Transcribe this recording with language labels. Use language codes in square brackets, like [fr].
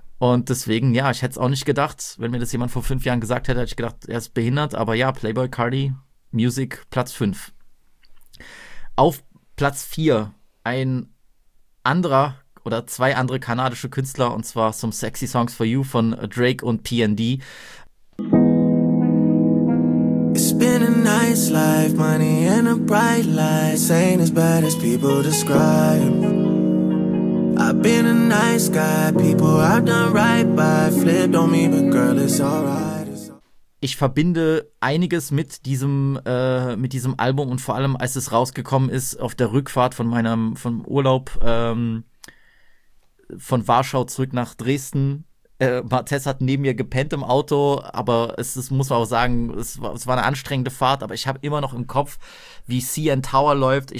[de] Und deswegen, ja, ich hätte es auch nicht gedacht, wenn mir das jemand vor 5 Jahren gesagt hätte, hätte ich gedacht, er ist behindert. Aber ja, Playboi Carti, Music, Platz 5. Auf Platz 4 ein anderer oder zwei andere kanadische Künstler, und zwar Some Sexy Songs for You von Drake und PND. [en] It's been a nice life, money and a bright light. This ain't as bad as people describe. I've been a nice guy, people I've done right by. Flipped on me, but girl, it's alright. [de] Ich verbinde einiges mit diesem Album, und vor allem, als es rausgekommen ist, auf der Rückfahrt vom Urlaub von Warschau zurück nach Dresden. Martez hat neben mir gepennt im Auto, aber es muss man auch sagen, es war eine anstrengende Fahrt, aber ich habe immer noch im Kopf, wie CN Tower läuft.